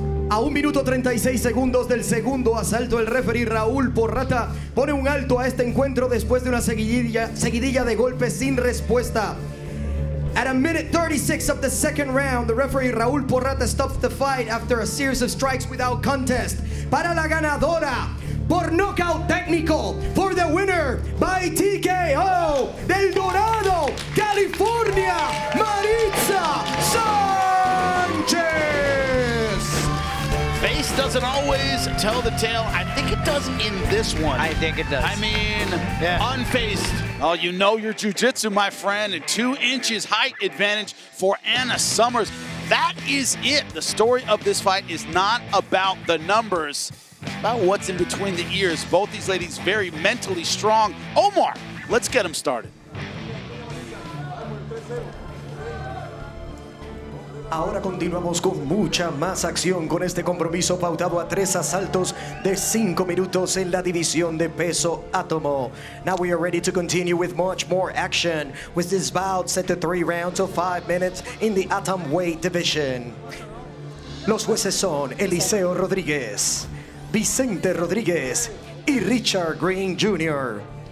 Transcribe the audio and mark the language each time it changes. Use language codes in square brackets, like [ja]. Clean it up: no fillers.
[es] A 1 minuto 36 segundos del segundo asalto, el referee Raúl Porrata pone un alto a este encuentro después de una seguidilla de golpes sin respuesta. [en] At a minute 36 of the second round, the referee Raúl Porrata stops the fight after a series of strikes without contest. [es] Para la ganadora, por knockout técnico, [en] for the winner by TKO, [es] del Dorado, California, Maritza Sanchez! [en] Face doesn't always tell the tale. I think it does in this one. I think it does. I mean, unfaced. Oh, you know your jiu-jitsu, my friend. And 2 inches height advantage for Anna Summers. That is it. The story of this fight is not about the numbers, about what's in between the ears. Both these ladies very mentally strong. Omar, let's get them started. [es] Ahora continuamos con mucha más acción con este compromiso pautado a 3 asaltos de 5 minutos en la división de peso átomo. [en] Now we are ready to continue with much more action with this bout set to 3 rounds of 5 minutes in the atom weight division. [es] Los jueces son Eliseo Rodríguez, Vicente Rodríguez y Richard Green Jr.